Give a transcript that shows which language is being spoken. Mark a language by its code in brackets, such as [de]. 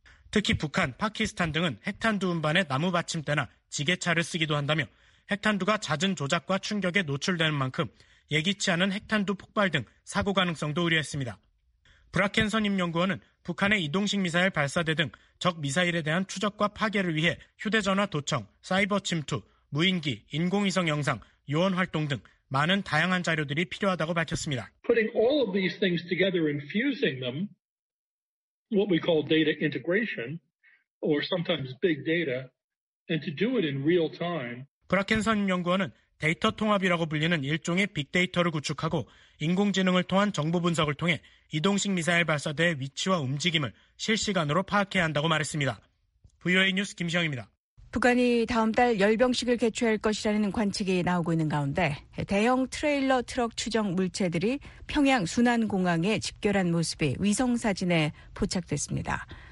[ko] 특히 북한, 파키스탄 등은 핵탄두 운반에 나무 받침대나 지게차를 쓰기도 한다며 핵탄두가 잦은 조작과 충격에 노출되는 만큼 예기치 않은 핵탄두 폭발 등 사고 가능성도 우려했습니다. 브라켄 선임연구원은 북한의 이동식 미사일 발사대 등 적 미사일에 대한 추적과 파괴를 위해 휴대전화 도청, 사이버 침투, 무인기, 인공위성 영상, 요원 활동 등 많은 다양한 자료들이 필요하다고 밝혔습니다. [en] Putting all of these things together and fusing them, what we call data integration, or sometimes big data, and to do it in real time. [ko] 브라켄 선임연구원은 데이터 통합이라고 불리는 일종의 빅데이터를 구축하고 인공지능을 통한 정보 분석을 통해 이동식 미사일 발사대의 위치와 움직임을 실시간으로 파악해야 한다고 말했습니다. VOA 뉴스 김시영입니다. 북한이 다음 달 열병식을 개최할 것이라는 관측이 나오고 있는 가운데 대형 트레일러 트럭 추정 물체들이 평양 순안공항에 집결한 모습이 위성사진에 포착됐습니다.